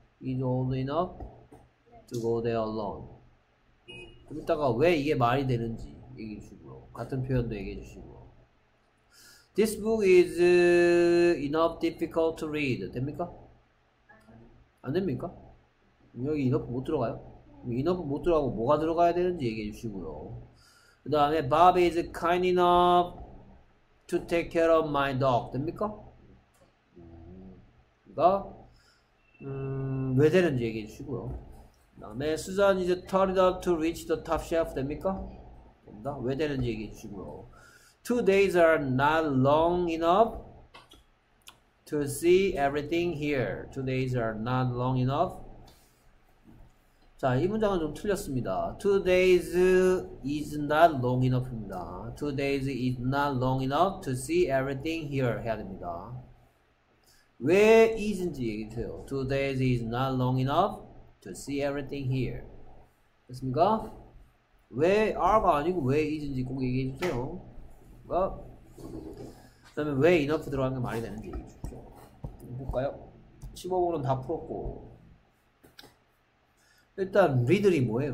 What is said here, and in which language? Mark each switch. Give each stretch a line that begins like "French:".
English: he is old enough to go there alone.
Korean: 그럼 이따가 왜 이게 말이 되는지 얘기해 주시고요. 같은 표현도 얘기해 주시고요.
English: this book is enough difficult to read.
Korean: 됩니까? 안 됩니까? 여기 enough 못 들어가요? 인업 못 들어가고 뭐가 들어가야 되는지 얘기해 주시고요. 그 다음에
English: Bob is kind enough to take care of my dog.
Korean: 됩니까? 그러니까 왜 되는지 얘기해 주시고요. 그 다음에
English: Susan is tall enough to reach the top shelf.
Korean: 됩니까? 됩니다. 왜 되는지 얘기해 주시고요.
English: Two days are not long enough to see everything here. Two days are not long enough.
Korean: 자, 이 문장은 좀 틀렸습니다.
English: Two days is not long enough입니다. Two days is not long enough to see everything here
Korean: 해야 됩니다. 왜 is인지 얘기해주세요.
English: Two days is not long enough to see everything here.
Korean: 됐습니까? 왜 are가 아니고 왜 is인지 꼭 얘기해주세요. 그 다음에 왜 enough 들어가는 게 말이 되는지 얘기해주세요. 볼까요? 15번은 다 풀었고 일단 riddle이 뭐예요?